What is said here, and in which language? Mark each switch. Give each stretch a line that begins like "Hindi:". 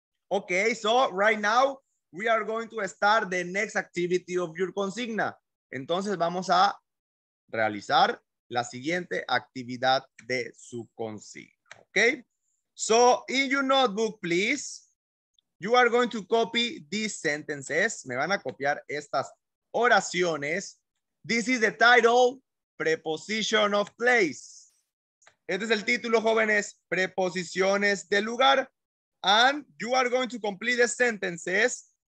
English: Okay, so right now we are going to start the next activity of your consigna.
Spanish: Entonces vamos a realizar la siguiente actividad de su consigna.
English: Okay? So, in your notebook, please, you are going to copy these sentences.
Spanish: Me van a copiar estas oraciones.
English: This is the title, preposition of place.
Spanish: Este es el título, jóvenes, preposiciones de lugar.
English: And you are going to complete the sentences.